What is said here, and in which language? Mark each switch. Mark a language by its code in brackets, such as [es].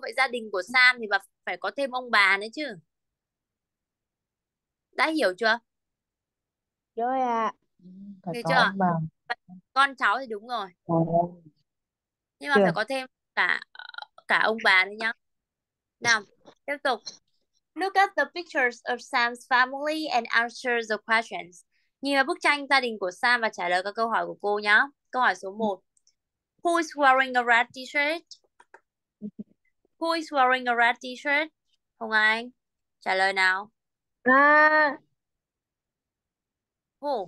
[vi] Vậy gia đình của Sam thì bà phải có thêm ông bà nữa chứ. Đã hiểu chưa? Rồi ạ. Phải Hiểu có chưa? ông bà. Con cháu thì đúng rồi, Chưa. nhưng mà phải có thêm cả cả ông bà nữa nhá. Nào, tiếp tục. [en] Look at the pictures of Sam's family and answer the questions. [vi] Nhìn vào bức tranh gia đình của Sam và trả lời các câu hỏi của cô nhá. Câu hỏi số 1. [en] Who is wearing a red t-shirt? Who is wearing a red t-shirt? Hồng Anh, [vi] trả lời nào. [en] Who?